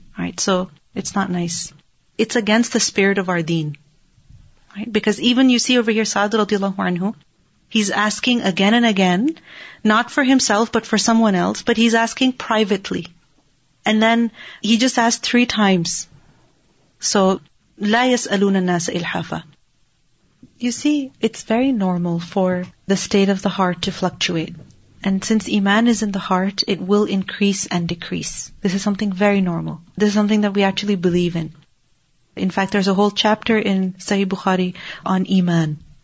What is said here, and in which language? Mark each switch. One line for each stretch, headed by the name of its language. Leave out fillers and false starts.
English: Right? So it's not nice. It's against the spirit of our deen. Right? Because even you see over here, Sa'd radiallahu anhu, he's asking again and again, not for himself but for someone else, but he's asking privately. And then he just asked three times.
Arabic: So, لا يسألون الناس إلحافا.
English: You see, it's very normal for the state of the heart to fluctuate. And since iman is in the heart, it will increase and decrease. This is something very normal. This is something that we actually believe in. In fact, there's a whole chapter in Sahih Bukhari on iman.